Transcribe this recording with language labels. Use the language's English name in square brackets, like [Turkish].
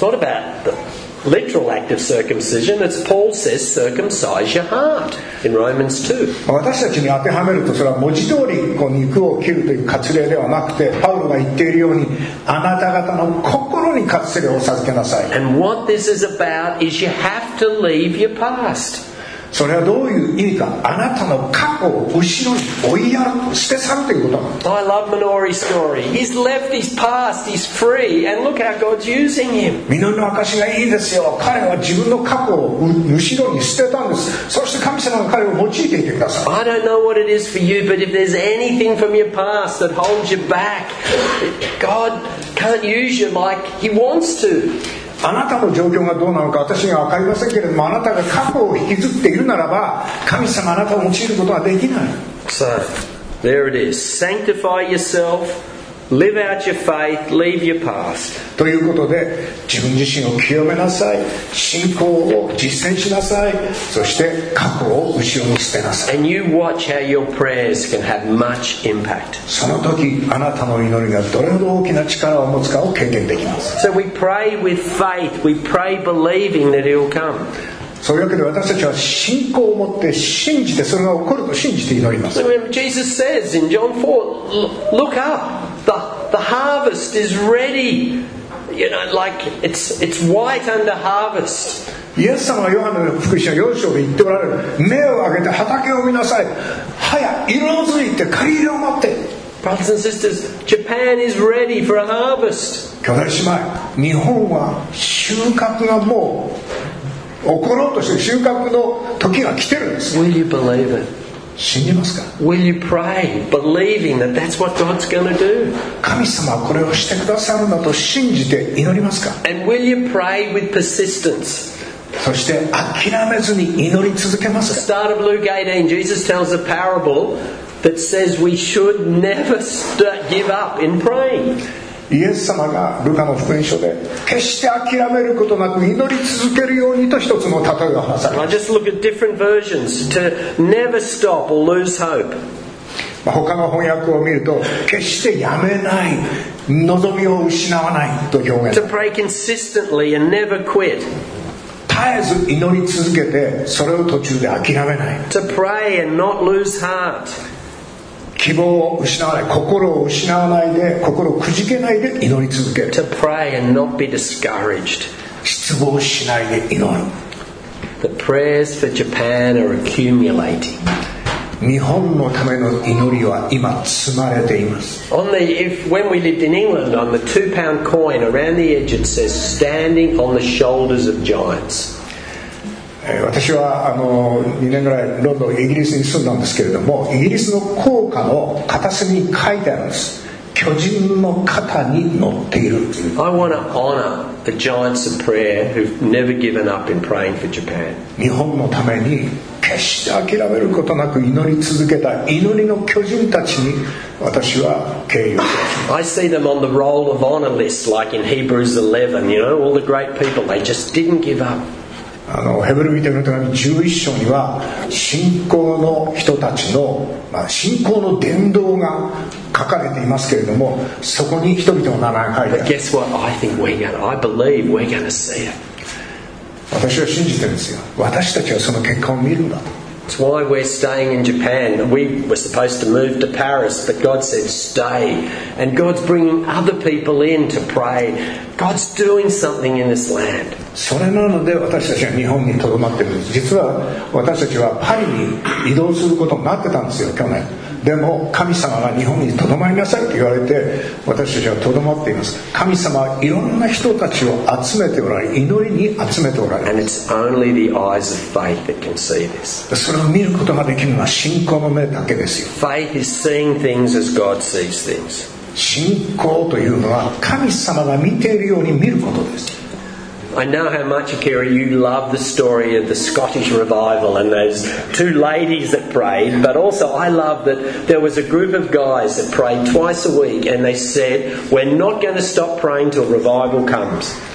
[English] It's not about the literal act of circumcision. It's Paul says circumcise your heart. In Romans 2. [Japanese] 私たちに当てはめると、それは文字通りこう肉を切るという割礼ではなくて、パウロが言っているように、あなた方の心に割礼を授けなさい。 [English] And what this is about is you have to leave your past. [Japanese] それはどういう意味か、あなたの過去を後ろに追いやる、捨て去るということなの。 [English] I love Minori's story. He's left his past, he's free, and look how God's using him. [Japanese] ミノリの証がいいですよ。彼は自分の過去を後ろに捨てたんです。そして神様が彼を用いていてください。 [English] I don't know what it is for you, but if there's anything from your past that holds you back, God can't use you like he wants to. [Japanese] あなたの状況がどうなのか私には分かりませんけれども、あなたが過去を引きずっているならば、神様あなたを用いることはできない。 [English] So, there it is. Sanctify yourself. Live out your faith. Leave your past. [Japanese] ということで、自分自身を清めなさい、信仰を実践しなさい、そして過去を後ろに捨てなさい。 [English] And you watch how your prayers can have much impact. [Japanese] その時あなたの祈りがどれほど大きな力を持つかを経験できます。 [English] So we pray with faith. We pray believing that he'll come. [Japanese] そういうわけで私たちは信仰を持って信じて、それが起こると信じて祈ります。 [English] So Jesus says in John 4, look up. The harvest is ready. You know, like it's white under harvest. [Japanese] イエス様はヨハネの福音書4章で言っておられる。目を上げて畑を見なさい。早く色づいて刈り入れを待って。 [English] Brothers and sisters, Japan is ready for a harvest. [Japanese] 兄弟姉妹、日本は収穫がもう起ころうとして、収穫の時が来てるんです。 [English] Will you believe it? [Japanese] 信じますか? [English] Will you pray, believing that that's what God's going to do? [Japanese] 神様はこれをしてくださるんだと信じて祈りますか? [English] And will you pray with persistence? [Japanese] そして諦めずに祈り続けますか? [English] The start of Luke 18, Jesus tells a parable that says we should never give up in praying. [Japanese] イエス様がルカの福音書で決して諦めることなく祈り続けるようにと一つの例えを話されます。 [English] I just look at different versions to never stop or lose hope. [Japanese] 他の翻訳を見ると決してやめない、望みを失わないと表現。 [English] To pray consistently and never quit. [Japanese] 絶えず祈り続けてそれを途中で諦めない。 [English] To pray and not lose heart. [Japanese] 希望を失わない、心を失わないで、心をくじけないで祈り続ける。 [English] To pray and not be discouraged. [Japanese] 失望しないで祈る。 [English] The prayers for Japan are accumulating. [Japanese] 日本のための祈りは今積まれています。 [English] On the, if, when we lived in England, on the £2 coin, around the edge it says, standing on the shoulders of giants. [Japanese] 私はあの2年ぐらいロンドン、イギリスに住んだんですけれども、イギリスの硬貨の片隅に書いてあるんです。巨人の肩に乗っている。 [English] I want to honor the giants of prayer who've never given up in praying for Japan. [Japanese] 日本のために決して諦めることなく祈り続けた祈りの巨人たちに私は敬意を表します。 [English] I see them on the roll of honor list, like in Hebrews 11. You know, all the great people, they just didn't give up. [Japanese] あのヘブル人の手紙11章には信仰の人たちの、まあ、信仰の伝道が書かれていますけれども、そこに人々の名前が書いてある。 [English] But guess what? I think we're going to. I believe we're going to see it. [Japanese] 私は信じてるんですよ。私たちはその結果を見るんだ。 [English] That's why we're staying in Japan. We were supposed to move to Paris, but God said stay. And God's bringing other people in to pray. God's doing something in this land. [Japanese] それなので私たちは日本にとどまってるんです。実は私たちはパリに移動することになってたんですよ、去年。でも神様が日本にとどまりなさいと言われて私たちはとどまっています。神様はいろんな人たちを集めておられ、祈りに集めておられ。 [English] And it's only the eyes of faith that can see this. [Japanese] それを見ることができるのは信仰の目だけですよ。 [English] Faith is seeing things as God sees things. [Japanese] 信仰というのは神様が見ているように見ることです。 [English] I know how much, Akira, you love the story of the Scottish revival and those two ladies that prayed, but also I love that there was a group of guys that prayed twice a week and they said, we're not going to stop praying till revival comes.